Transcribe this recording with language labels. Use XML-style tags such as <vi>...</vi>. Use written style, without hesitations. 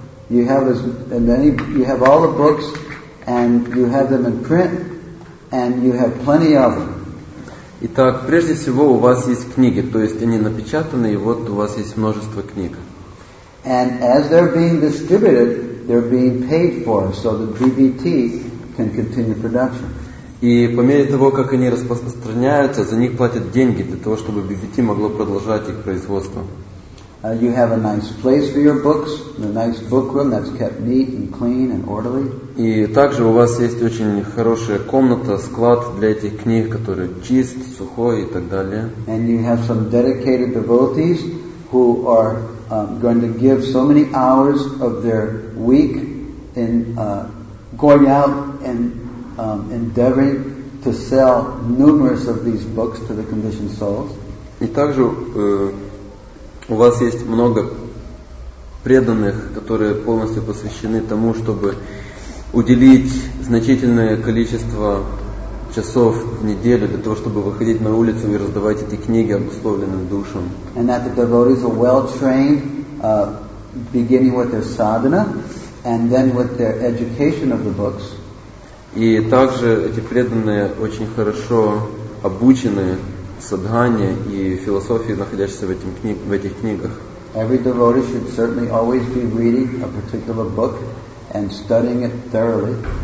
<en>You have all the books. And you have them in print, and you have plenty of them.</en> <ru>Итак, прежде всего у вас есть книги, то есть они напечатаны, и вот у вас есть множество книг.</ru> <en>And as they're being distributed, they're being paid for, so the DVT can continue production.</en> <ru>И по мере того, как они распространяются, за них платят деньги для того, чтобы DVT могло продолжать их производство.</ru> <en>You have a nice place for your books, a nice book room that's kept neat and clean and orderly.</en> <ru>И также у вас есть очень хорошая комната, склад для этих книг, который чист, сухой и так далее.</ru> <en>And you have some dedicated devotees who are going to give so many hours of their week in going out and endeavoring to sell numerous of these books to the conditioned souls.</en> <ru>И также у вас есть много преданных, которые полностью посвящены тому, чтобы уделить значительное количество часов в неделю для того, чтобы выходить на улицу и раздавать эти книги обусловленным душам.</ru> <en>And that the devotees are well trained, beginning with their sadhana and then with their education of the books.</en> <ru>И также эти преданные очень хорошо обучены садхане и философии, находящейся в этих книгах.</ru> <en>Every devotee should certainly always be reading a particular book and studying it thoroughly.</en>